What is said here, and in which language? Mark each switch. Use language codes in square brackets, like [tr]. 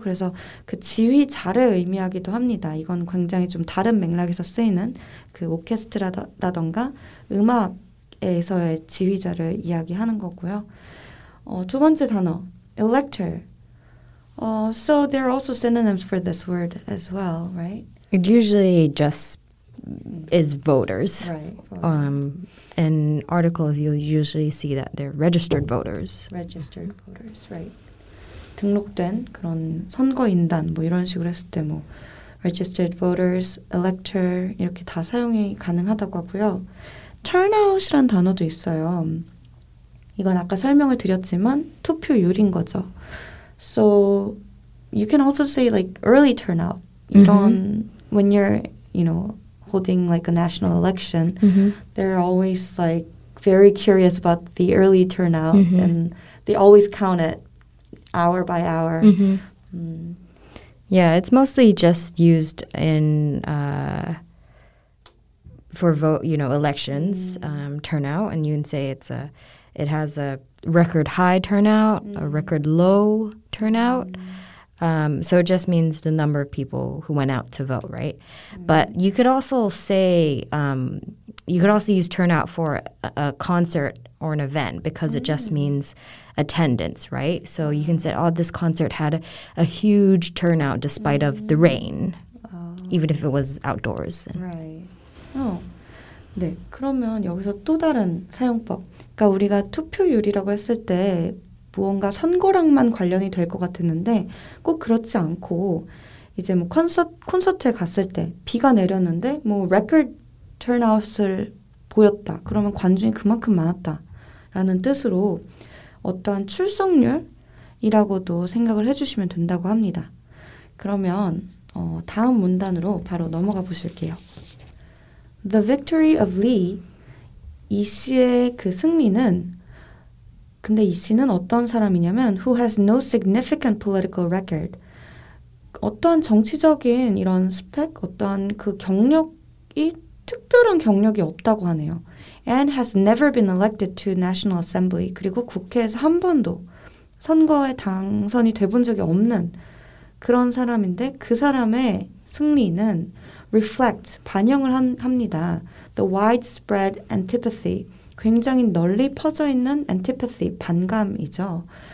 [ko] 그래서 그 지휘자를 의미하기도 합니다. 이건 굉장히 좀 다른 맥락에서 쓰이는 그 오케스트라라던가 음악에서의 지휘자를 이야기하는 거고요. 두 번째 단어, elector. [en] So there are also synonyms for this word as well, right? It usually just is voters. Right. In articles, you'll usually see that they're registered voters. Registered voters, right. [ko] 등록된 그런 선거인단 뭐 이런 식으로 했을 때 뭐 [en] registered voters, [ko] elector 이렇게 다 사용이 가능하다고 하고요. Turnout이란 단어도 있어요. 이건 아까 설명을 드렸지만 투표율인 거죠. [en] So you can also say like early turnout. [ko] 이런 [en] mm-hmm. when you're, you know, holding like a national election, mm-hmm. they're always like very curious about the early turnout mm-hmm. and they always count it. Hour by hour. Mm-hmm. Mm. Yeah, it's mostly just used in for vote, you know, elections turnout, and you can say it has a record high turnout, a record low turnout. So it just means the number of people who went out to vote, right? But you could also say you could also use turnout for a concert or an event because it just means attendance, right? So you can say, oh, this concert had a huge turnout despite of the rain, even if it was outdoors. Right. [ko] 네, 그러면 여기서 또 다른 사용법. 그러니까 우리가 투표율이라고 했을 때 무언가 선거랑만 관련이 될 것 같았는데 꼭 그렇지 않고 이제 뭐 콘서트에 갔을 때 비가 내렸는데 뭐 record turnout을 보였다. 그러면 관중이 그만큼 많았다. 라는 뜻으로 어떠한 출석률이라고도 생각을 해주시면 된다고 합니다. 그러면 다음 문단으로 바로 넘어가 보실게요. [en] The victory of Lee, [ko] 이 씨의 그 승리는 근데 이 씨는 어떤 사람이냐면 [en] who has no significant political record. [ko] 어떠한 정치적인 이런 스펙, 어떠한 그 경력이 특별한 경력이 없다고 하네요. [en] And has never been elected to National Assembly. [ko] 그리고 국회에서 한 번도 선거에 당선이 돼본 적이 없는 그런 사람인데 그 사람의 승리는 reflects, 반영을 합니다. [en] The widespread antipathy. [ko] 굉장히 널리 퍼져 있는 antipathy, 반감이죠.